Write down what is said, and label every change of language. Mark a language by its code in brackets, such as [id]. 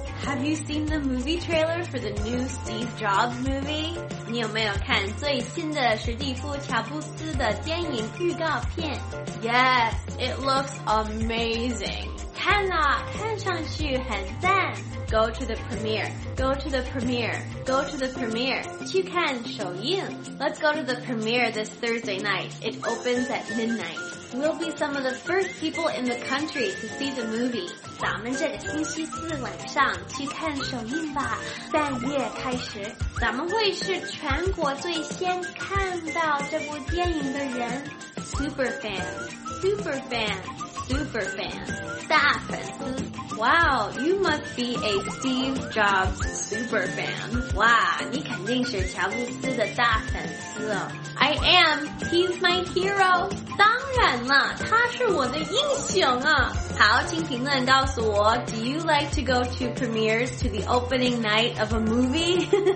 [en] Have you seen the movie trailer for the new Steve Jobs movie? [zh] 你有没有看最新的史蒂夫·乔布斯的电影预告片？ [en] Yes, it looks amazing. [zh] 看啦，看上去很赞。 [en] Go to the premiere, go to the premiere, go to the premiere. [zh] 去看首映。 [en] Let's go to the premiere this Thursday night. It opens at midnight. We'll be some of the first people in the country to see the movie. [zh] 咱们这个星期四晚上去看首映吧，半夜开始。咱们会是全国最先看到这部电影的人。 [en] Super fan, super fan. super fan, [zh] 大粉丝。 [en] Wow, you must be a Steve Jobs super fan. [zh] 哇，你肯定是乔布斯的大粉丝哦。 [en] I am, he's my hero. [zh] 当然了，他是我的英雄啊。好，请评论告诉我 [en] ,Do you like to go to premieres to the opening night of a movie?